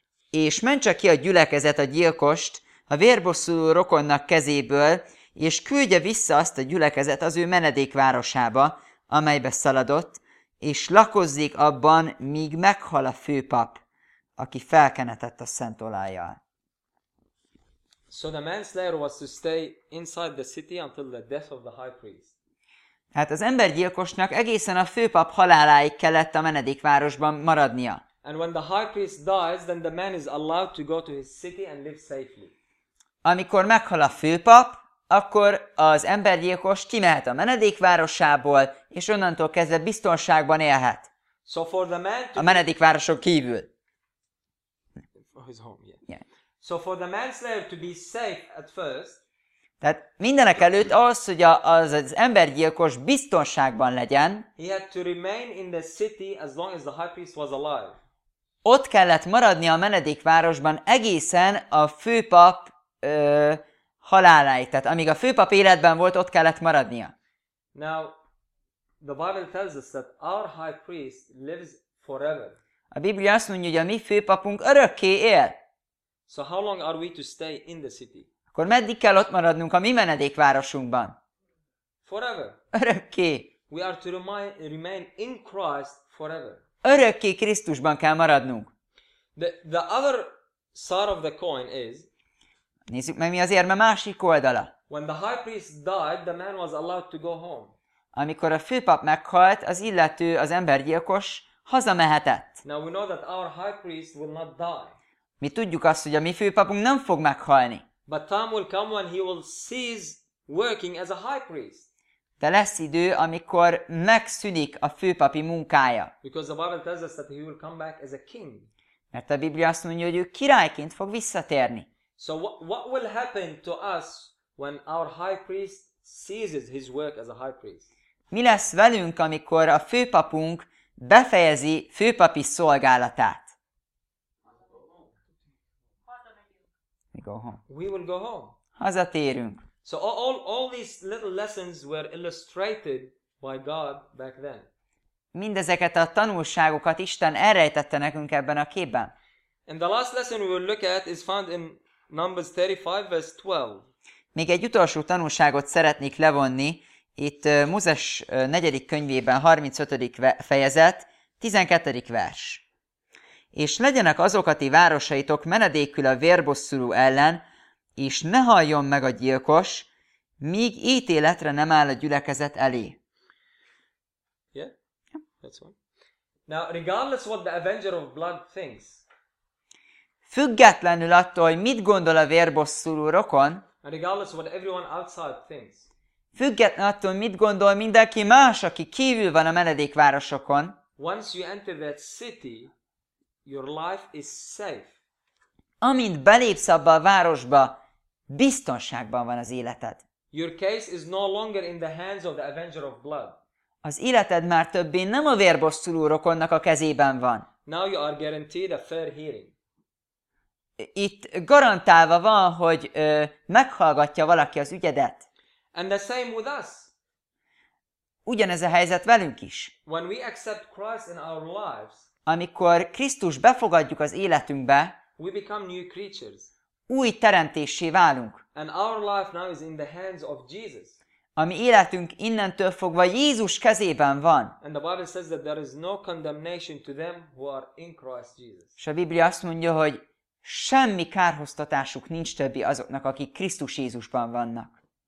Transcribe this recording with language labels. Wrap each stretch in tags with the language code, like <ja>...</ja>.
<hu>És mentse ki a gyülekezet a gyilkost a vérbosszuló rokonnak kezéből, és küldje vissza azt a gyülekezet az ő menedékvárosába, amelybe szaladott, és lakozzék abban, míg meghal a főpap, aki felkenetett a szent olajjal.</hu> <en>So the manslayer was to stay inside the city until the death of the high priest.</en> <hu>Hát az embergyilkosnak egészen a főpap haláláig kellett a menedékvárosban maradnia.</hu> <en>And when the high priest dies, then the man is allowed to go to his city and live safely.</en> <hu>Amikor meghal a főpap, akkor az embergyilkos kimehet a menedékvárosából, és onnantól kezdve biztonságban élhet.</hu> <en>So for the man to</en> <hu>a menedékvároson kívül.</hu> <en>For his home, yeah. So for the manslayer to be safe at first,</en> <hu>tehát mindenek előtt az, hogy az embergyilkos biztonságban legyen,</hu> <en>he had to remain in the city as long as the high priest was alive.</en> <hu>Ott kellett maradni a menedékvárosban egészen a főpap haláláig. Tehát amíg a főpap életben volt, ott kellett maradnia.</hu> <en>Now, the Bible tells us that our high priest lives forever.</en> <hu>A Biblia azt mondja, hogy a mi főpapunk örökké él.</hu> <en>So how long are we to stay in the city?</en> <hu>Akkor meddig kell ott maradnunk a mi menedékvárosunkban?</hu> <en>Forever.</en> <hu>Örökké.</hu> <en>We are to remain in Christ forever.</en> <hu>Örökké Krisztusban kell maradnunk.</hu> <en>The other side of the coin is,</en> <hu>nézzük meg, mi az érme másik oldala.</hu> <en>When the high priest died, the man was allowed to go home.</en> <hu>Amikor a főpap meghalt, az illető, az embergyilkos hazamehetett.</hu> <en>Now we know that our high priest will not die.</en> <hu>Mi tudjuk azt, hogy a mi főpapunk nem fog meghalni.</hu> <en>But time will come when he will cease working as a high priest.</en> <hu>De lesz idő, amikor megszűnik a főpapi munkája.</hu> <en>Because the Bible tells us that he will come back as a king.</en> <hu>Mert a Biblia azt mondja, hogy ő királyként fog visszatérni.</hu> <en>So what will happen to us when our high priest ceases his work as a high priest?</en> <hu>Mi lesz velünk, amikor a főpapunk befejezi főpapi szolgálatát?</hu> <en>We will go home.</en> <hu>Hazatérünk.</hu> <en>So all these little lessons were illustrated by God back then.</en> <hu>Mindezeket a tanulságokat Isten elrejtette nekünk ebben a képben.</hu> <en>And the last lesson we will look at is found in Numbers 35 verse 12.</en> <hu>Még egy utolsó tanulságot szeretnék levonni. Itt Mózes 4. könyvében 35. fejezet 12. vers. És legyenek azok a ti városaitok menedékül a vérbosszuló ellen, és ne halljon meg a gyilkos, míg ítéletre nem áll a gyülekezet elé.</hu> <en>Now, regardless what the avenger of blood thinks.</en> <hu>Függetlenül attól, hogy mit gondol a vérbosszuló rokon,</hu> <en>and regardless what everyone outside thinks.</en> <hu>Függetlenül attól, mit gondol mindenki más, aki kívül van a menedékvárosokon.</hu> <en>Once you enter that city, your life is safe.</en> <hu>Amint belépsz abba a városba, biztonságban van az életed.</hu> <en>Your case is no longer in the hands of the avenger of blood.</en> <hu>Az életed már többé nem a vérbosszuló rokonnak a kezében van.</hu> <en>Now you are guaranteed a fair hearing.</en> <hu>Itt garantálva van, hogy meghallgatja valaki az ügyedet.</hu> <en>And the same with us.</en> <hu>Ugyanez a helyzet velünk is.</hu> <en>When we accept Christ in our lives,</en> <hu>amikor Krisztus befogadjuk az életünkbe,</hu> <en>we become new creatures.</en> <hu>Új teremtéssé válunk.</hu> <en>And our life now is in the hands of Jesus.</en> <hu>A mi életünk innentől fogva Jézus kezében van.</hu> <en>And the Bible says that there is no condemnation to them who are in Christ Jesus.</en> <hu>És a Biblia azt mondja, hogy semmi kárhoztatásuk nincs többi azoknak, akik Krisztus Jézusban vannak.</hu>